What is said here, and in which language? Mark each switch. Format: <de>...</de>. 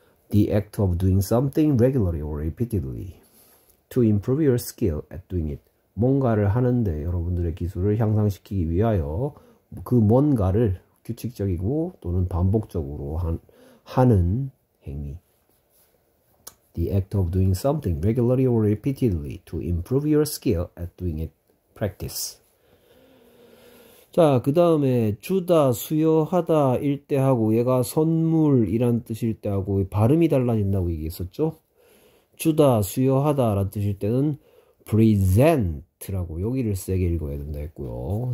<en>The act of doing something regularly or repeatedly to improve your skill at doing it.</en> <ko>뭔가를 하는데 여러분들의 기술을 향상시키기 위하여 그 뭔가를 규칙적이고 또는 반복적으로 하는 행위.</ko> <en>The act of doing something regularly or repeatedly to improve your skill at doing it. Practice.</en> <ko>자, 그 다음에 주다, 수여하다 일 때하고 얘가 선물이란 뜻일 때하고 발음이 달라진다고 얘기했었죠? 주다, 수여하다란 뜻일 때는 present라고 여기를 세게 읽어야 된다 했고요.</ko>